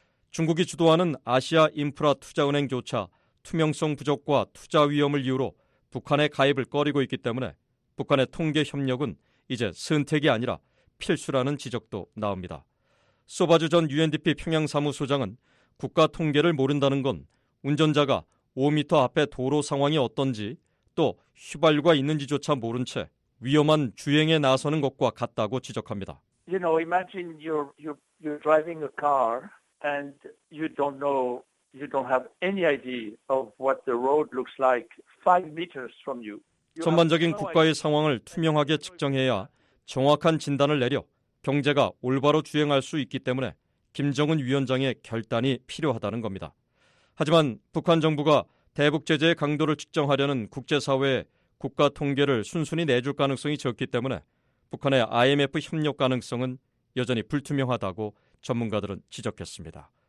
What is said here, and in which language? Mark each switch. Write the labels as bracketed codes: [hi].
[ko] 중국이 주도하는 아시아 인프라 투자은행조차 투명성 부족과 투자 위험을 이유로 북한의 가입을 꺼리고 있기 때문에 북한의 통계 협력은 이제 선택이 아니라 필수라는 지적도 나옵니다. 소바주 전 UNDP 평양사무소장은 국가 통계를 모른다는 건 운전자가 5m 앞에 도로 상황이 어떤지 또 휘발유가 있는지조차 모른 채 위험한 주행에 나서는 것과 같다고 지적합니다. [en] You know, imagine you're driving a car and you don't know, you don't have any idea of what the road looks like 5m from you. [ko] 전반적인 국가의 상황을 투명하게 측정해야 정확한 진단을 내려 경제가 올바로 주행할 수 있기 때문에 김정은 위원장의 결단이 필요하다는 겁니다. 하지만 북한 정부가 대북 제재의 강도를 측정하려는 국제사회에 국가 통계를 순순히 내줄 가능성이 적기 때문에 북한의 IMF 협력 가능성은 여전히 불투명하다고 전문가들은 지적했습니다.